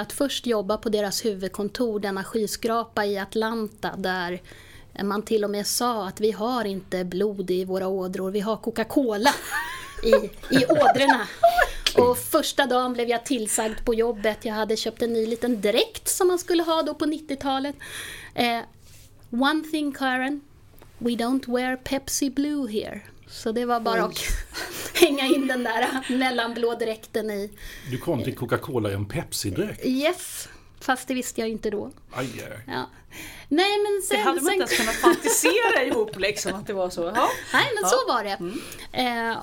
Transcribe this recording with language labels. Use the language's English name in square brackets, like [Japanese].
[Swedish] Att först jobba på deras huvudkontor, denna skyskrapa i Atlanta, där man till och med sa att vi har inte blod i våra ådror, vi har Coca-Cola i ådrorna. Och första dagen blev jag tillsagd på jobbet. Jag hade köpt en ny liten dräkt som man skulle ha då på 90-talet. [English] One thing, Karin, we don't wear Pepsi Blue here. [Swedish] Så det var bara att hänga in den där mellanblå dräkten i. Du kom till Coca-Cola i en Pepsi-dräkt? Yes, fast det visste jag inte då. Aj, ja. Nej, men sen, det hade man inte ens kunnat fantisera ihop liksom, att det var så. Ja. Nej, men ja. Så var det. Mm.